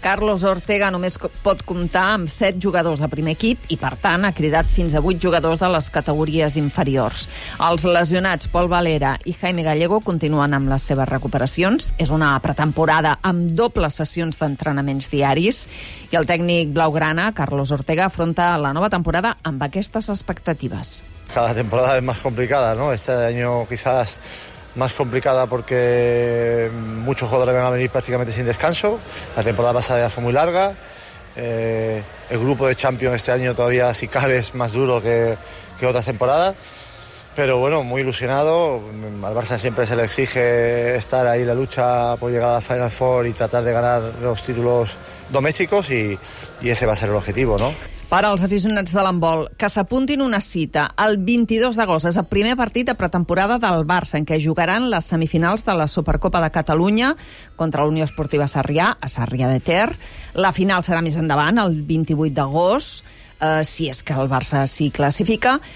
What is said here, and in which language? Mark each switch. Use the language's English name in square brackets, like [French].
[Catalan] Carlos Ortega només pot comptar amb 7 jugadors de primer equip i, per tant, ha cridat fins a 8 jugadors de les categories inferiors. Els lesionats Pol Valera i Jaime Gallego continuen amb les seves recuperacions. És una pretemporada amb dobles sessions d'entrenaments diaris i el tècnic blaugrana, Carlos Ortega, afronta la nova temporada amb aquestes expectatives. [Spanish] Cada temporada es más complicada, ¿no? Este año quizás más complicada porque muchos jugadores van a venir prácticamente sin descanso. La temporada pasada ya fue muy larga. El grupo de Champions este año todavía, si cabe, es más duro que otras temporadas. Pero bueno, muy ilusionado. Al Barça siempre se le exige estar ahí en la lucha por llegar a la Final Four y tratar de ganar los títulos domésticos y ese va a ser el objetivo, ¿no? [Catalan] Per als aficionats de l'handbol, que s'apuntin una cita. El 22 d'agost és el primer partit de pretemporada del Barça en què jugaran les semifinals de la Supercopa de Catalunya contra l'Unió Esportiva Sarrià, a Sarrià de Ter. La final serà més endavant, el 28 d'agost, si és que el Barça s'hi classifica.